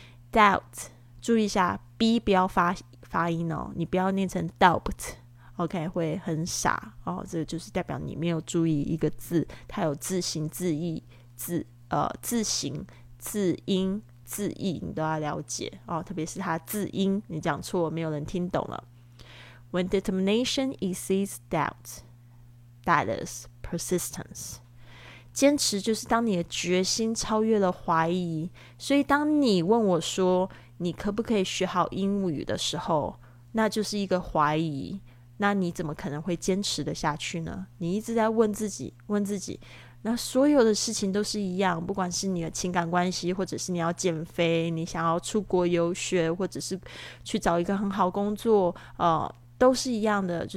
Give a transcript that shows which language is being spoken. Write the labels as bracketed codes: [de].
[zh] doubt 注意一下 b 不要发音哦，你不要念成 doubt， OK， 会很傻哦。这个就是代表你没有注意一个字它有字形字义字形字音字义你都要了解、哦、特别是它字音你讲错没有人听懂了。 [en] When determination exceeds doubt, that is persistence. [zh] 坚持就是当你的决心超越了怀疑。所以当你问我说你可不可以学好英语的时候，那就是一个怀疑，那你怎么可能会坚持的下去呢？你一直在问自己问自己。那所有的事情都是一样，不管是你的情感关系，或者是你要减肥，你想要出国游学，或者是去找一个很好工作，都是一样的。